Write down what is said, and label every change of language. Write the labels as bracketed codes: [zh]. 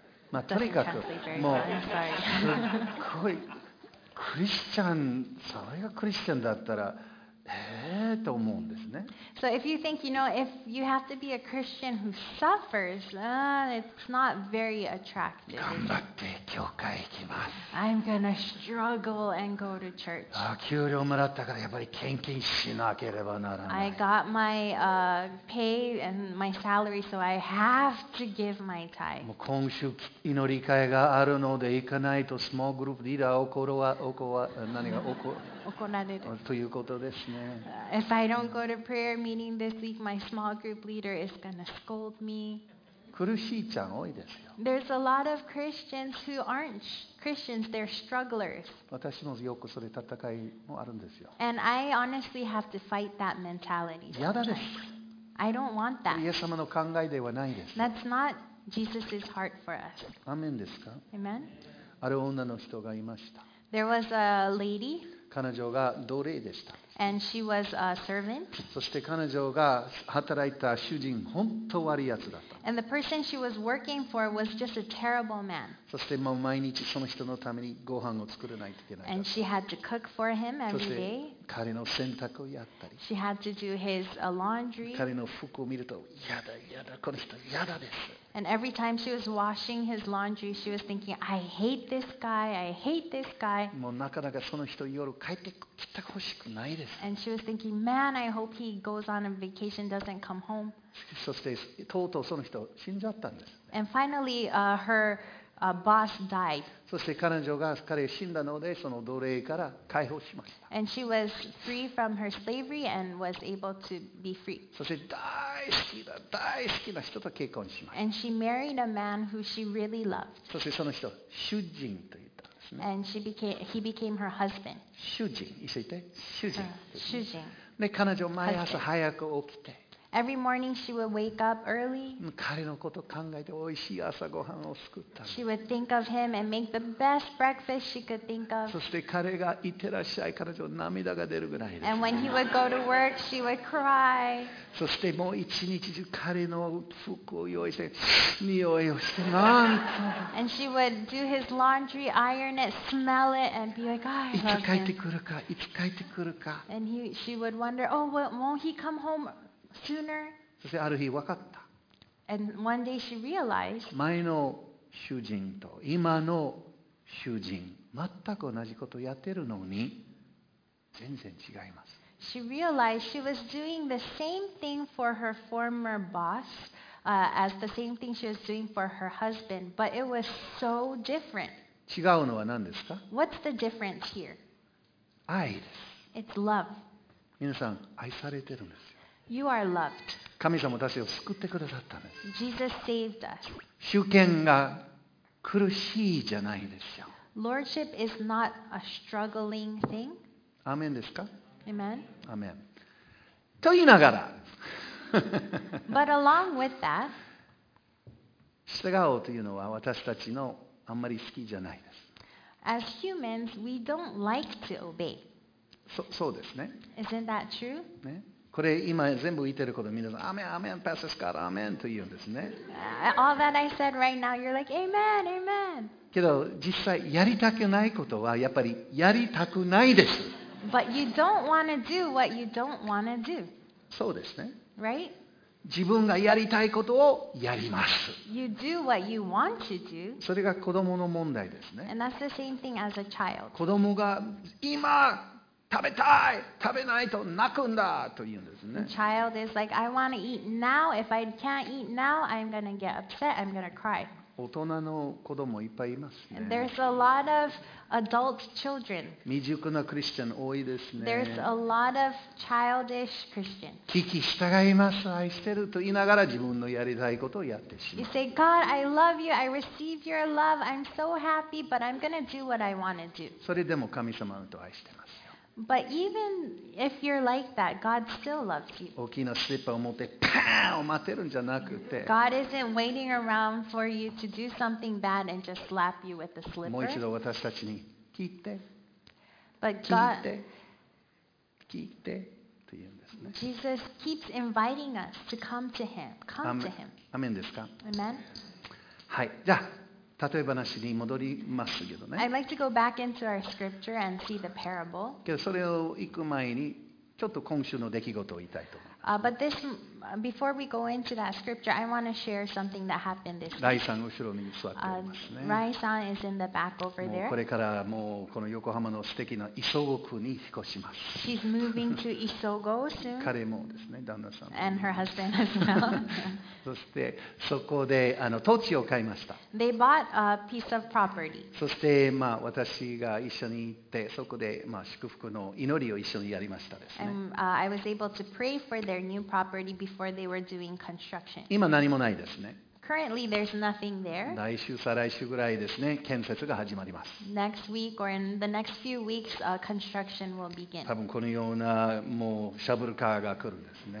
[ja] まあとにかく、もうすっごい。クリスチャン、それがクリスチャンだったら、と思うんですね。 [en] So if you think, you know, if you have to be a Christian who suffers, it's not very attractive. [ja] 頑張って教会行きます。 [en] I'm gonna struggle and go to church. [ja] 給料もらったからやっぱり献金しなければならない。 [en] I got my pay and my salary, so I have to give my tithe. [ja] もう今週祈り会があるので行かないとスモールグループリーダー怒られるということですね。 [en] If I don't go to prayer meeting this week, my small group leader is gonna scold me. [ja] 苦しいちゃん多いですよ。 [en] There's a lot of Christians who aren't Christians. They're strugglers. [ja] 私もよくそれ戦いもあるんですよ。 [en] And I honestly have to fight that mentality. [ja] 嫌だです。 [en] I don't want that. [ja] イエス様の考えではないです。 [en] That's not Jesus' heart for us. [ja] アメンですか？ [en] Amen. [ja] ある女の人がいました。 [en] There was a lady. [ja] 彼女が奴隷でした。 [en] And she was a servant. [ja] そして彼女が働いた主人、本当悪いやつだった。 [en] And the person she was working for was just a terrible man. [ja] そしてもう毎日その人のためにご飯を作らないといけない。 [en] And she had to cook for him every day. [ja] そして彼の洗濯をやったり。 [en] She had to do his laundry. [ja] 彼の服を見ると、やだやだ、この人やだです。 [en] And every time she was washing his laundry, she was thinking, I hate this guy, I hate this guy. [ja] もうなかなかその人夜帰ってきてほしくないです。 [en] And she was thinking, man, I hope he goes on a vacation, doesn't come home. [ja] そしてとうとうその人死んじゃったんです。 [en] And finally, herboss died. [ja] そして彼女が彼死んだのでその奴隷から解放しました。 [en] And she was free from her slavery and was able to be free. [ja] そして大好きな大好きな人と結婚しました。 [en] And she married a man who she really loved. [ja] そしてその人主人と言ったんですね。 [en] And he became her husband. [ja] 主人、言って主人。主人。で彼女毎朝早く起きて。 [en] Every morning she would wake up early. [ja] 彼のことを考えて美味しい朝ごはんを作った。 [en] She would think of him and make the best breakfast she could think of. [ja] そして彼がいってらっしゃい、彼女涙が出るぐらいです。 [en] And when he would go to work, she would cry. [ja] そしてもう一日中彼の服を用意して、匂いをして、なんと。 [en] And she would do his laundry, iron it, smell it, and be like, oh, I love him. [ja] いつ帰ってくるか、いつ帰ってくるか。 [en] And she would wonder, oh, won't he come home? Sooner. [ja] そしてある日分かった。 [en] And one day she realized, [ja] 前の主人と今の主人、全く同じことをやってるのに、全然違います。 [en] She realized she was doing the same thing for her former boss, as the same thing she was doing for her husband, but it was so different. [ja] 違うのは何ですか？ [en] What's the difference here? [ja] 愛です。 [en] It's love. [ja] 皆さん、愛されてるんです。 [en] You are loved. [ja] 神様たちを救ってくださったんです。 [en] Jesus saved us. [ja] 主権が苦しいじゃないですよ。 [en] Lordship is not a struggling thing. [ja] アーメンですか？ [en] Amen. [ja] アーメン。と言いながら、 [en] But along with that, [ja] 従おうというのは私たちのあんまり好きじゃないです。 [en] As humans, we don't like to obey. [ja] そうですね。 [en] Isn't that true? [ja] ね。これ今全部言ってること皆さんアメンアメンパスカルアメンと言うんですね。 [en] All that I said right now, you're like amen, amen. [ja] けど実際やりたくないことはやっぱりやりたくないです。 [en] But you don't want to do what you don't want to do. [ja] そうですね。 [en] Right? [ja] 自分がやりたいことをやります。 [en] You do what you want to do. [ja] それが子供の問題ですね。 [en] And that's the same thing as a child. [ja] 子供が今食べたい食べないと泣くんだと言うんですね。 [en] Child is like, I want to eat now. If I can't eat now, I'm going to get upset. I'm going to cry. [ja] 大人の子供いっぱいいますね。 [en] There's a lot of adult children. [ja] 未熟なクリスチャン多いですね。 [en] There's a lot of childish Christians. [ja] 聞き従います、愛してると言いながら自分のやりたいことをやってしまう。 [en] You say, God, I love you. I receive your love. I'm so happy, but I'm going to do what I want to do. [ja] それでも神様のと愛してます。 [en] But even if you're like that, God still loves you. [ja] 大きなスリッパを持ってパーンを待ってるんじゃなくて、 [en] God isn't waiting around for you to do something bad and just slap you with the slipper. [ja] もう一度私たちに聞いて、 [en] But God, [ja] 聞いてと言うんですね。 [en] Jesus keeps inviting us to come to Him. Come to Him. [ja] アメンですか？ [en] Amen. [ja] はい、じゃあ。例え話に戻りますけどね。 [en] I'd like to go back into our scripture and see the parable. [ja] けどそれを行く前にちょっと今週の出来事を言いたいと思います。 [en] But this, before we go into that scripture, I want to share something that happened this week. [ja] ライさん後ろに座っていますね。 [en] ライさん is in the back over there. [ja] これからもうこの横浜の素敵な磯子区に引っ越します。 [en] She's moving to Isogo soon. [ja] 彼もですね、旦那さん。 [en] And her husband as well. [ja] そしてそこで土地を買いました。 [en] They bought a piece of property. [ja] そしてまあ私が一緒に行ってそこでまあ祝福の祈りを一緒にやりましたですね。 [en] And, I was able to pray for their new property before they were doing construction. [ja] 今何もないですね。 [en] Currently there's nothing there. [ja] 来週再来週ぐらいですね、建設が始まります。 [en] Next week or in the next few weeks, construction will begin. [ja] 多分このようなもうシャブルカーが来るんですね。